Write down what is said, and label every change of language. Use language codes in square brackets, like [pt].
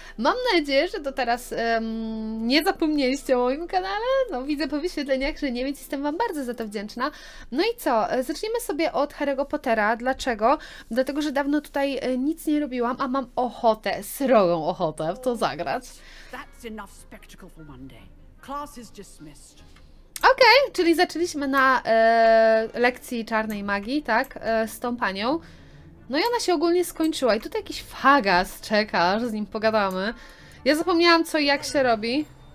[pl] Mam nadzieję, że to teraz nie zapomnieliście o moim kanale. No widzę po wyświetleniach, że nie, więc jestem wam bardzo za to wdzięczna. No i co, zacznijmy sobie od Harry'ego Pottera. Dlaczego? Dlatego, że dawno tutaj nic nie robiłam, a mam ochotę, srogą ochotę w to zagrać. [en] That's enough spectacle for one day. Class is dismissed. [pl] Okej, czyli zaczęliśmy na lekcji czarnej magii, tak? Z tą panią. No i ona się ogólnie skończyła. I tutaj jakiś fagas czeka, że z nim pogadamy. Ja zapomniałam, co i jak się robi.